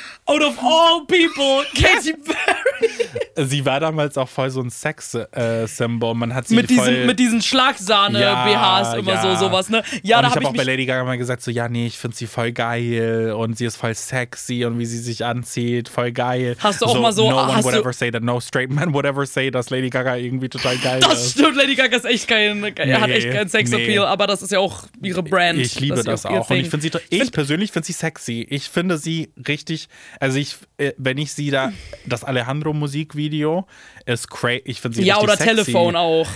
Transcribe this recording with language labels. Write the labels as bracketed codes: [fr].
[en] out of all people, Katy Perry. [de] sie war damals auch voll so ein Sex-Symbol. Man hat sie mit voll diesen Schlagsahne-BHs immer sowas, ne? Ja, und da ich hab auch bei Lady Gaga mal gesagt, so, ja, nee, ich finde sie voll geil und sie ist voll sexy und wie sie sich anzieht, voll geil. Hast du auch mal so, [en] no one would ever say that, no straight man would ever say, [de] dass Lady Gaga irgendwie total geil das ist. Das stimmt, Lady Gaga ist echt kein, hat echt keinen Sex-Appeal, aber das ist ja auch ihre Brand. Ich liebe das auch. Und ich finde sie, ich persönlich finde sie sexy. Ich finde sie richtig, also ich, wenn ich sie da, das Alejandro-Musikvideo ist crazy, ich finde sie ja, richtig oder sexy. Telefon auch.